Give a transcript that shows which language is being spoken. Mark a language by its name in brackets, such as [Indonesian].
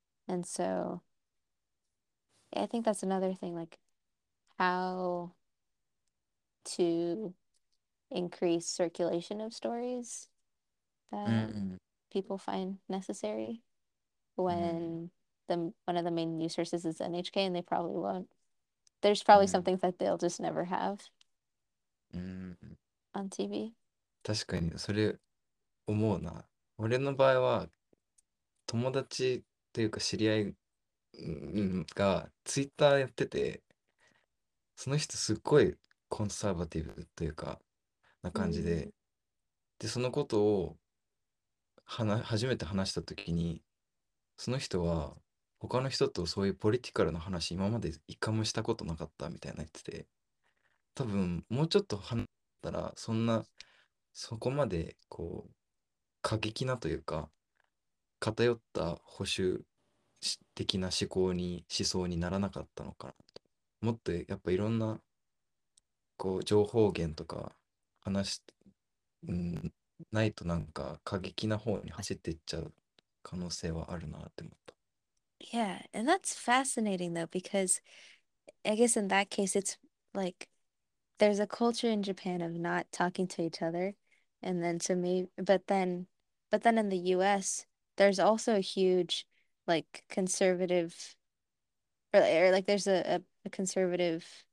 [English] And so I think that's another thing, like how to increase circulation of stories that people find necessary when one of the main news sources is NHK, and they probably won't. There's probably something that they'll just never have on TV. [Japanese] 確かにそれ思うな。俺の場合は友達というか知り合いがツイッターやってて、その人すっごいコンサーバティブというかな感じで、でそのことを初めて話した時に、その人は他の人とそういうポリティカルな話今まで一回もしたことなかったみたいな言ってて、多分もうちょっと話したらそんなそこまでこう過激なというか偏った保守的な思考に思想にならなかったのかなと。もっとやっぱいろんなこう情報源とか話ないとなんか過激な方に走っていっちゃう可能性はあるなって思った。 [English] Yeah, and that's fascinating though, because I guess in that case it's like there's a culture in Japan of not talking to each other, and then to me, but then in the US there's also a huge like conservative or like there's a conservative